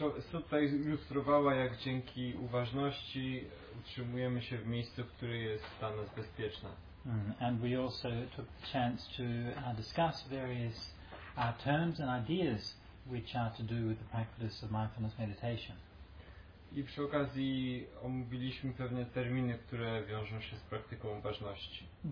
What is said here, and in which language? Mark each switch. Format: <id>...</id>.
<pl>Sutta ilustrowała, jak dzięki uważności utrzymujemy się w miejscu, które jest dla nas bezpieczne.</pl> <en>And we also took the chance to discuss various terms and ideas which are to do with the practice of mindfulness meditation.</en> <pl>I przy okazji omówiliśmy pewne terminy, które wiążą się z praktyką uważności.</pl>